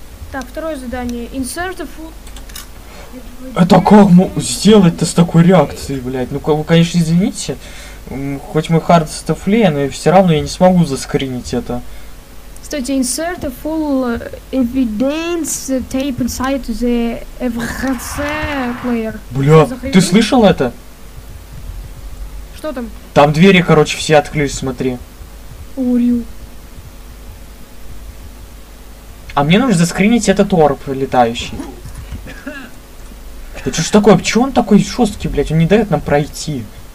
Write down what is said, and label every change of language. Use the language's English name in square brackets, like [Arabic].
[Russian] Так, второе задание. [English] Insert a full... [Russian] Это как сделать-то с такой реакцией, блядь? Ну-ка, вы, конечно, извините. Хоть мы хард стафлея, но все равно я не смогу заскринить это. Кстати, [English] insert a full evidence tape inside the FHC player. [Russian] Бля, ты слышал это? Что там? Там двери, короче, все открылись, смотри. Урю. А мне нужно заскринить этот орб летающий. Да что ж такое? Почему он такой жесткий, блядь? Он не дает нам пройти.